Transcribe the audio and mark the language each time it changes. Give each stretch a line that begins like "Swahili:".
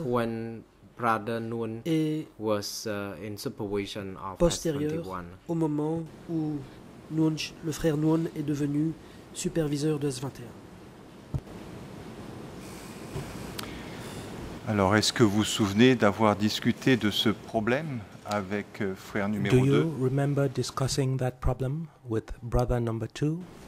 English: when Brother Nuon was in supervision of postérieure S21.
French: Au moment où Nunch, le frère Nuon est devenu superviseur de S21. Alors, est-ce que vous vous souvenez d'avoir discuté de ce problème avec frère numéro 2.
English: Do you remember discussing that problem with brother number 2?